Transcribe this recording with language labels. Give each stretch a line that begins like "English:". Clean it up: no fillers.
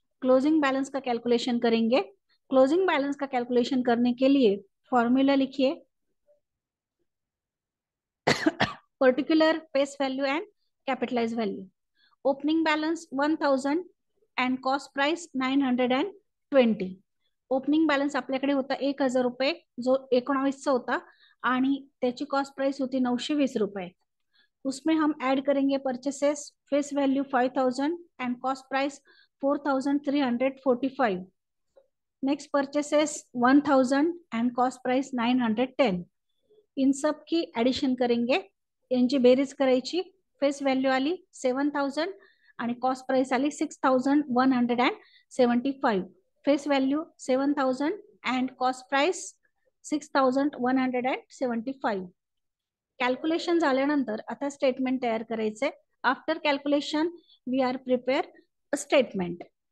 Hindi: Closing balance का calculation करेंगे। Closing balance का कैलकुलेशन करने के लिए फॉर्मूला लिखिए, particular face value and capitalise value.
English: Opening balance 1000 and cost price 920।
Marathi: Opening balance आपल्याकडे होता 1000 रुपये, जो 1900 होता, आणि त्याची कॉस्ट प्राइस होती 920 रुपये।
Hindi: उसमें हम ऐड करेंगे purchases, face value 5000 and cost price 4345।
English: Next purchases 1000 and cost price 910।
Hindi: इन सब की एडिशन करेंगे,
Marathi: इनची बेरीज करायची। फेस वैल्यू आली 7000 आणि कॉस्ट प्राइस आली 6175।
English: Face value 7000 and cost price 6175।
Marathi: Calculation झाल्यानंतर आता स्टेटमेंट तयार करायचे।
English: After calculation we are prepare a statement.